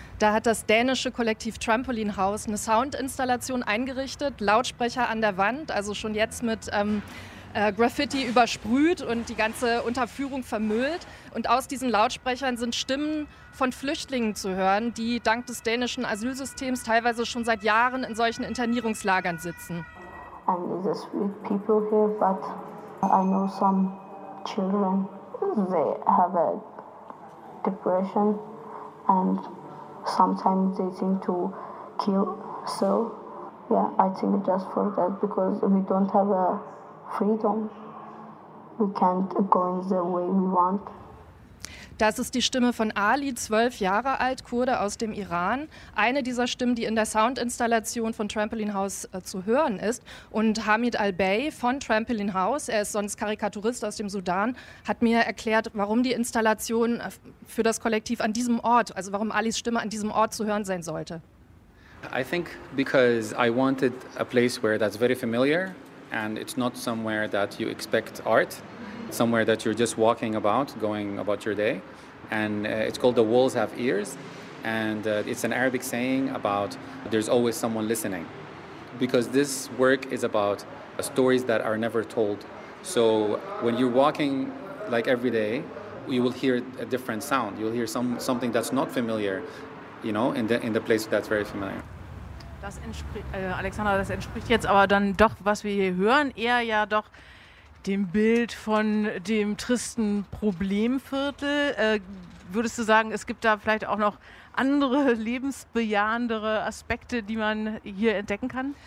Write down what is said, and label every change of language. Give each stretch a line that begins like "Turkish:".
German: Da hat das dänische Kollektiv Trampoline House eine Soundinstallation eingerichtet, Lautsprecher an der Wand, also schon jetzt mit Graffiti übersprüht und die ganze Unterführung vermüllt. Und aus diesen Lautsprechern sind Stimmen von Flüchtlingen zu hören, die dank des dänischen Asylsystems teilweise schon seit Jahren in solchen Internierungslagern sitzen.
English: And there's weird people here, but I know some children, they have a depression and sometimes they think to kill. So, yeah, I think just for that, because we don't have a freedom. We can't go in the way we want.
German: Das ist die Stimme von Ali, 12 Jahre alt, Kurde aus dem Iran. Eine dieser Stimmen, die in der Soundinstallation von Trampoline House zu hören ist. Und Hamid Al-Bey von Trampoline House, er ist sonst Karikaturist aus dem Sudan, hat mir erklärt, warum die Installation für das Kollektiv an diesem Ort, also warum Alis Stimme an diesem Ort zu hören sein sollte.
English: I think because I wanted a place where that's very familiar and it's not somewhere that you expect art, somewhere that you're just walking about, going about your day. And it's called The Walls Have Ears. And it's an Arabic saying about there's always someone listening. Because this work is about stories that are never told. So when you're walking like every day, you will hear a different sound. You'll hear something that's not familiar, you know, in the place that's very familiar.
German: Das Alexander, das entspricht jetzt aber dann doch, was wir hier hören, eher ja doch dem Bild von dem tristen Problemviertel. Würdest du sagen, es gibt da vielleicht auch noch andere lebensbejahendere Aspekte, die man hier entdecken kann?